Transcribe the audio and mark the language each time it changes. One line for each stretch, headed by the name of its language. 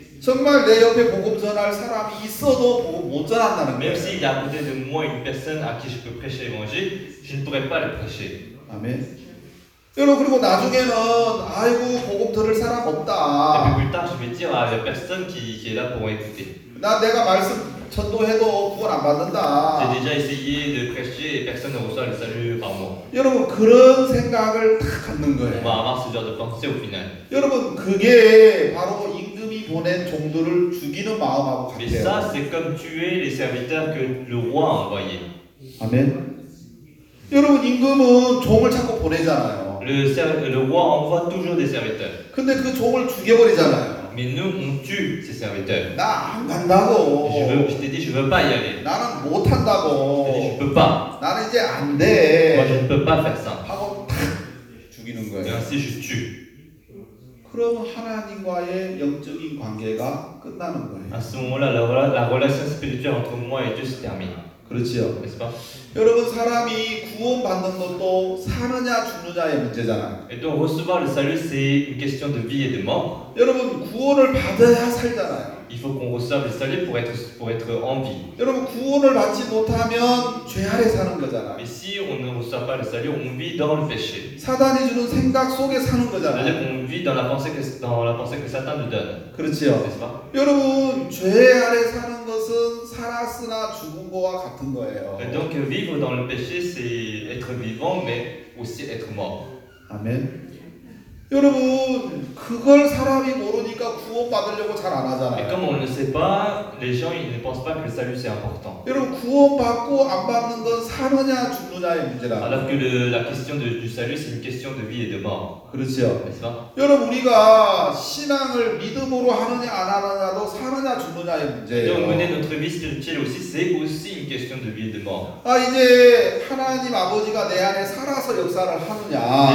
Korean: 정말 내 옆에 복음 전할 사람이 있어도 복음 못 전한다는 거예요.
French: Même s'il y a peut-être de moi une personne à qui je peux prêcher l'évangile, je ne pourrais pas le prêcher. Amen.
Korean: 여러분 그리고 나중에는 아이고 복음 들을 사람 없다.
French: Et plus tard, je vais dire à la personne qui est là pour écouter.
Korean: 나 내가 말씀 전도해도 구원 안 받는다.
French: J'ai déjà essayé de prêcher et personne ne reçoit le salut par moi.
Korean: 여러분 그런 생각을 탁 갖는 거예요.
French: Bah, avoir ce genre de pensée au final.
Korean: 여러분 그게 바로 임금이 보낸 종들을 죽이는 마음하고 같아요.
French: Mais ça, c'est comme tuer les serviteurs que le roi a envoyé. Amen.
Korean: 여러분 임금은 종을 자꾸 보내잖아요.
French: Le roi envoie toujours des serviteurs.
Korean: 근데 그 종을 죽여버리잖아요.
French: Mais nous, on tue ces serviteurs.
Korean: 나 안 간다고.
French: Je t'ai dit, je veux pas y aller.
Korean: 나는 못 한다고.
French: Je t'ai dit, je peux pas.
Korean: 나는 이제 안 돼.
French: Moi, je ne peux pas faire ça.
Korean: 하고 죽이는 거예요.
French: Et ainsi, je tue.
Korean: 그럼 하나님과의 영적인 관계가 끝나는 거예요.
French: À ce moment-là, la relation spirituelle entre moi et Dieu se termine.
Korean: 그렇지요. 그래서 여러분 사람이 구원 받는 것도 사느냐 죽느냐의 문제잖아요.
French: Et donc recevoir le salut c'est une question de vie et de mort.
Korean: 여러분 구원을 받아야 살잖아요.
French: Il faut qu'on reçoive le salut pour être en vie.
Korean: 여러분 구원을 받지 못하면 죄 아래 사는 거잖아.
French: Mais si on ne reçoit pas le salut, on vit dans le péché.
Korean: 사단이 주는 생각 속에 사는 거잖아.
French: C'est-à-dire qu'on vit dans la pensée que Satan nous donne.
Korean: 그렇지요. 그래서 여러분 죄 아래 사는 것은 살았으나 죽은 거와 같은 거예요.
French: Et donc vivre dans le péché c'est être vivant mais aussi être mort.
Korean: 아멘. 여러분 그걸 사람이 모르니까 구원 받으려고 잘 안 하잖아요.
French: Et comme on ne sait pas, les gens ils ne pensent pas que le salut c'est important.
Korean: 여러분 구원 받고 안 받는 건 사느냐 죽느냐의 문제라.
French: Alors que la question du salut c'est une question de vie et de mort.
Korean: 그렇죠. 그래서 여러분 우리가 신앙을 믿음으로 하느냐 안 하느냐도 사느냐 죽느냐의 문제예요.
French: Donc mener notre vie spirituelle aussi c'est aussi une question de vie et de mort.
Korean: 아 이제 하나님 아버지가 내 안에 살아서 역사를 하느냐.